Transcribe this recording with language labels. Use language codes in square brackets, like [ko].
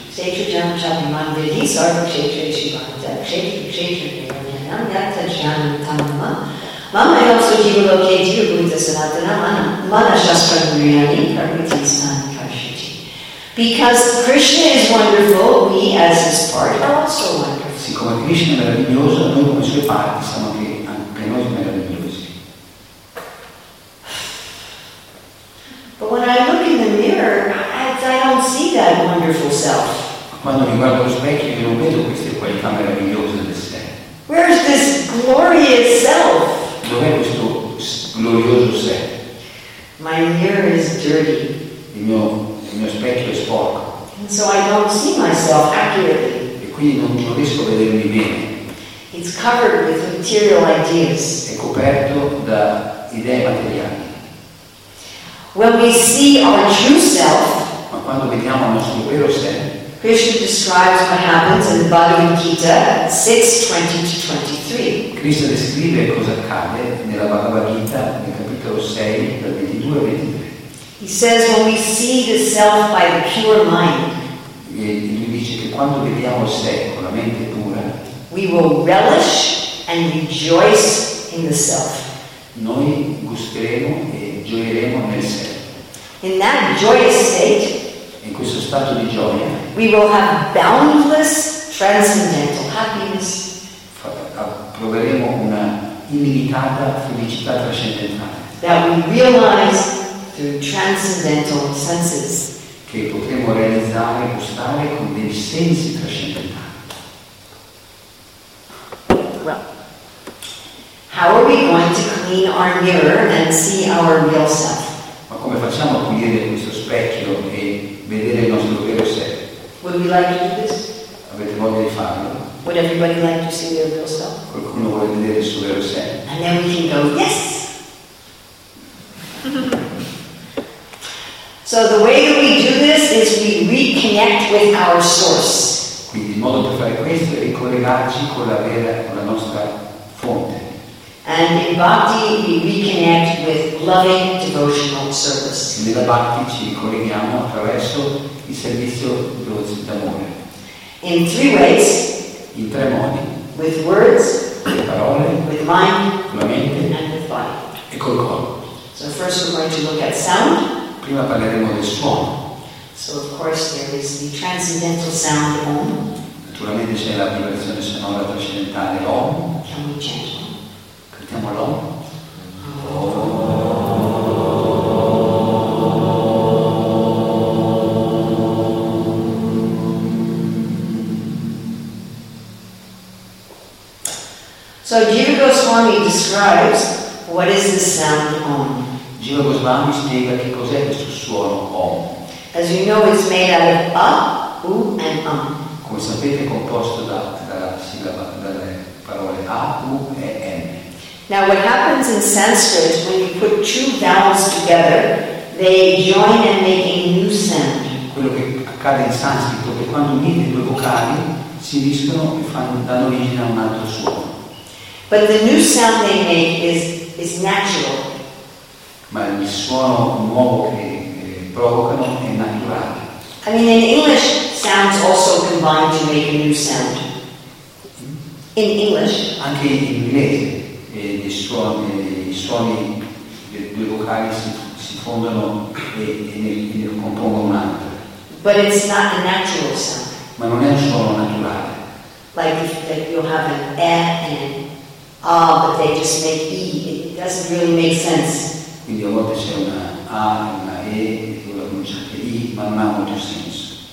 [en] Sacred Jan Chapman Vidhi Sarva Chetra Shivanta Chetra Jan Tamma Mama Yoksu Jivulo Keti Ubuddha Sanatana Mana Shastra Muriani Parvati San Kashiti. Because Krishna is wonderful, we as his part are also wonderful. [it] Siccome Krishna è meraviglioso, noi come sue parti siamo anche noi meravigliosi. [en] But when I look in the mirror, I don't see that wonderful self. [it] Quando mi guardo allo specchio, io non vedo queste qualità meravigliose del sé. [en] Where is this glorious self? [it] Dov'è questo glorioso sé? [en] My mirror is dirty. [it] Il mio specchio è sporco. [en] And so I don't see myself accurately. [it] E quindi non riesco a vedermi bene. [en] It's covered with material ideas. [it] È coperto da idee materiali. [en] When we see our true self, [it] ma quando vediamo il nostro vero sé, [en] Krishna describes what happens in the Bhagavad Gita 6:20-23. [it] Krishna descrive cosa accade nella Bhagavad Gita nel capitolo 6, dal 22 al 23. [en] He says when we see the self by the pure mind, [it] e lui dice che quando vediamo sé con la mente pura, [en] we will relish and rejoice in the self. [it] Noi gusteremo e gioiremo nel sé. [en] In that joyous state, [it] in questo stato di gioia, [en] we will have boundless transcendental happiness. [it] Proveremo una illimitata felicità trascendentale. [en] That we realize through transcendental senses. [it] Che potremo realizzare, gustare con dei sensi trascendentali. [en] Well, how are we going to clean our mirror and see our real self? [it] Ma come facciamo a pulire questo specchio e vedere il nostro vero sé? [en] Would we like to do this? [it] Avete voglia di farlo? [en] Would everybody like to see their real self? [it] Qualcuno vuole vedere il suo vero sé? [en] And then we can go, yes! So the way that we do this is we reconnect with our source. [it] Quindi il modo per fare questo è collegarci con la vera, con la nostra fonte. [en] And in bhakti we reconnect with loving devotional service. [it] Nella bhakti ci colleghiamo attraverso il servizio d'amore. [en] In three ways. [it] In tre modi. [en] With words. [it] Con parole. [en] With mind. [it] Con la mente. [en] And with body. [it] E col corpo. [en] So first we're going to look at sound. [it] Prima parleremo del suono. [en] So of course there is the transcendental sound Om. [it] Naturalmente c'è la vibrazione sonora trascendentale Om. [en] Can we chant? [it] Cantiamo l'Om. [en] So Jiva Goswami describes what is the sound Om. [it] Jiva Goswami spiega che cos'è questo suono Om. [en] As you know, it's made out of A, U and Am. [it] Come sapete è composto dalle parole A, U e M. [en] Now what happens in Sanskrit when you put two vowels together, they join and make a new sound. [it] Quello che accade in sanscrito è che quando unite due vocali si uniscono e danno origine a un altro suono. [en] But the new sound they make is natural. [it] Ma il suono nuovo che provocano è naturale. [en] I mean, in English, sounds also combine to make a new sound. In English. [it] Anche in inglese, i suoni dei due vocali si fondono e compongono un altro. [en] But it's not a natural sound. [it] Ma non è un suono naturale. [en] Like if you have an E and an A, but they just make E, it doesn't really make sense. [it] Quindi a volte c'è una A, una E, e tu la pronuncia anche I, ma non ha molto senso.